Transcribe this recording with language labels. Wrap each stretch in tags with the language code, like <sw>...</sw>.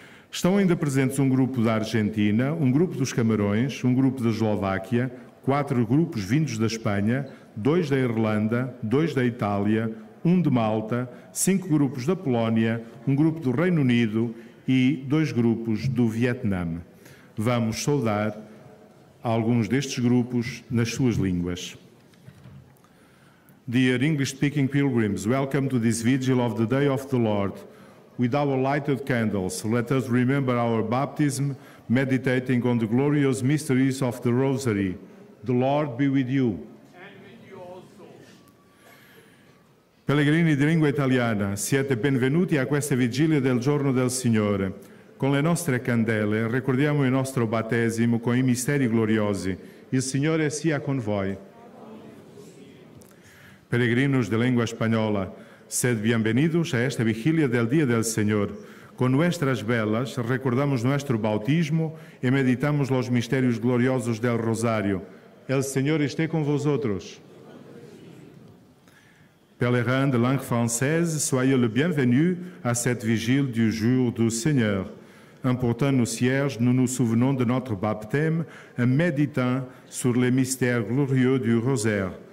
<pt>Estão ainda presentes um grupo da Argentina, um grupo dos Camarões, um grupo da Eslováquia, quatro grupos vindos da Espanha, dois da Irlanda, dois da Itália, um de Malta, cinco grupos da Polónia, um grupo do Reino Unido e dois grupos do Vietnã. Vamos saudar alguns destes grupos nas suas línguas.</pt> <en>Dear English-speaking pilgrims, welcome to this vigil of the Day of the Lord. With our lighted candles, let us remember our baptism, meditating on the glorious mysteries of the Rosary. The Lord be with you. And with you also.</en> <it>Pellegrini di lingua italiana, siete benvenuti a questa vigilia del giorno del Signore. Con le nostre candele ricordiamo il nostro battesimo con i misteri gloriosi. Il Signore sia con voi.</it> <es>Peregrinos de lengua española, sed bienvenidos a esta vigilia del Día del Señor. Con nuestras velas recordamos nuestro bautismo y meditamos los misterios gloriosos del Rosario. El Señor esté con vosotros.</es> <fr>Pèlerins de langue française, soyez le bienvenu à cette vigile du jour du Seigneur. En portant nos cierges, nous nous souvenons de notre baptême en méditant sur les mystères glorieux du Rosaire.</fr>